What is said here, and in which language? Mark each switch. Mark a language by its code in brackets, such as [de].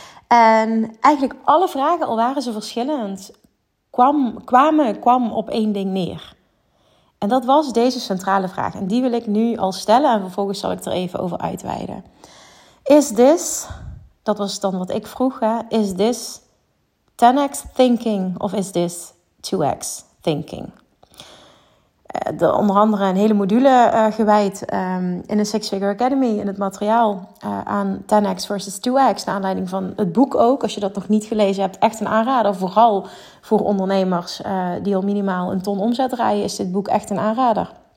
[nl] En eigenlijk alle vragen, al waren ze verschillend, kwam op één ding neer. En dat was deze centrale vraag. En die wil ik nu al stellen en vervolgens zal ik er even over uitweiden. [en] Is this, [nl] dat was dan wat ik vroeg, hè? [en] Is this 10x thinking [nl] of [en] is this 2x thinking? [nl] Onder andere een hele module gewijd in de Six Figure Academy in het materiaal aan 10x versus 2x. Naar aanleiding van het boek ook, als je dat nog niet gelezen hebt, echt een aanrader. Vooral voor ondernemers die al minimaal een ton omzet draaien, is dit boek echt een aanrader.